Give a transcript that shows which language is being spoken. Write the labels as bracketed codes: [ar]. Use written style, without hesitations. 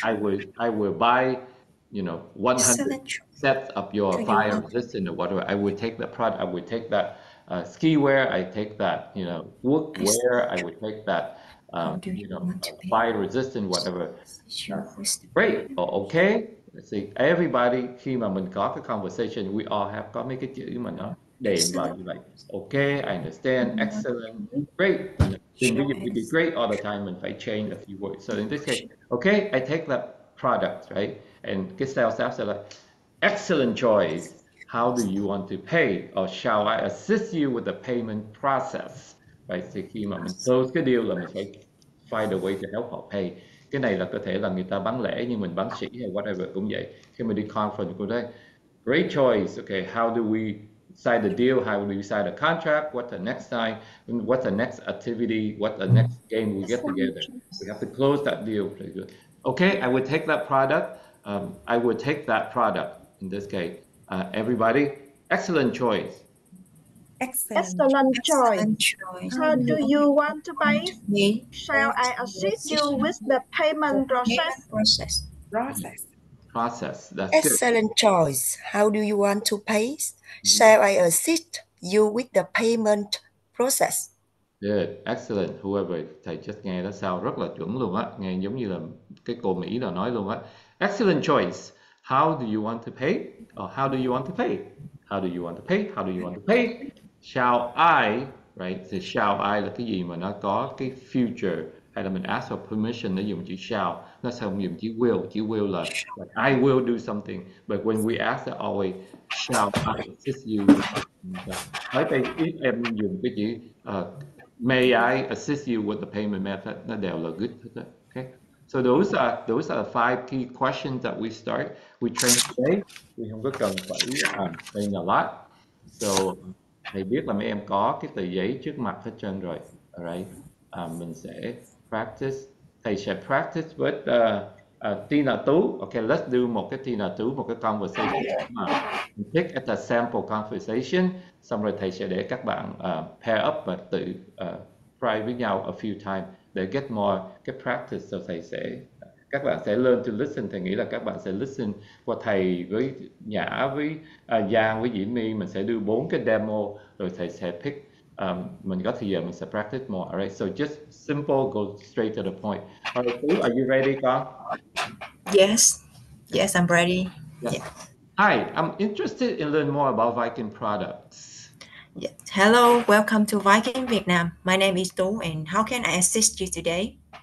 [en] I will buy, you know, 100 sets of your fire resistant or whatever. I will take that product. I will take that ski wear. I take that, you know, work wear. I will take that, you know, fire resistant, whatever. Great. Oh, okay. Let's see. Everybody, [vi] khi mà mình có cái [en] conversation, we all have [vi] có mấy cái chữ mà nó để mà [en] like, okay, I understand. Excellent. Great. You know, we do great all the time and I change a few words. So in this case, okay, I take that product, right? And get sales after like, excellent choice. How do you want to pay? Or shall I assist you with the payment process? Right, [vi] thì khi mà mình [en] close [vi] cái [en] deal [vi] là mình phải [en] find a way to help [vi] họ [en] pay. [vi] Cái này là có thể là người ta bán lẻ nhưng mình bán sỉ hay whatever cũng vậy. Khi mình đi conference cũng thế. [en] Great choice. Okay, how do we sign the deal? How do we sign the contract? What's the next sign? What's the next activity? What's the next game we get together? We have to close that deal. Okay, I will take that product. I will take that product in this case. Everybody, excellent choice. Excellent choice. How do you want to pay? Shall I assist you with the payment process? Process. That's excellent good. Choice. How do you want to pay? Shall I assist you with the payment process? Good, excellent. Whoever, [vi] thầy [en] just [vi] nghe đó sao rất là chuẩn luôn á. Nghe giống như là cái cô Mỹ nào nói luôn á. [en] Excellent choice. How do you want to pay? Or how do you want to pay? How do you want to pay? How do you want to pay? Shall I, right? So shall I [vi] là cái gì mà nó có cái [en] future? [vi] Hay là mình [en] ask for permission, [vi] nó dùng chữ [en] shall. [vi] Nó sẽ không dùng chữ [en] will. [vi] Chữ [en] will là like, I will do something. But when we ask it always, shall I assist you? [vi] Nói đây, em dùng cái chữ [en] may I assist you with the payment method? [vi] Nó đều là [en] good. Okay. So those are the five key questions that we start. We train today. We [vi] không có cần phải [en] train a lot. [vi] So thầy biết là mấy em có cái tờ giấy trước mặt hết trơn rồi. [en] All right. [vi] Mình sẽ [en] practice. [vi] Thầy sẽ [en] practice with Tina Tú. Okay, let's do [vi] một cái [en] Tina Tú, [vi] một cái [en] conversation. Pick at a sample conversation. [vi] Xong rồi thầy sẽ để các bạn [en] pair up [vi] và tự [en] try [vi] với nhau [en] a few times. [vi] Để [en] get more, get practice, so [vi] thầy sẽ, các bạn sẽ [en] learn to listen. [vi] Thầy nghĩ là các bạn sẽ [en] listen [vi] qua thầy với Nhã, với Giang, với Diễm My. Mình sẽ đưa bốn cái [en] demo, [vi] rồi thầy sẽ [en] pick [vi] mình có thời gian mình sẽ [en] practice more. All right, so just simple, go straight to the point. All right, so are you ready, Carl? Yes, I'm ready. Yeah. Hi, I'm interested in learning more about Viking products. Yes. Hello, welcome to Viking Vietnam. My name is Tu, and how can I assist you today?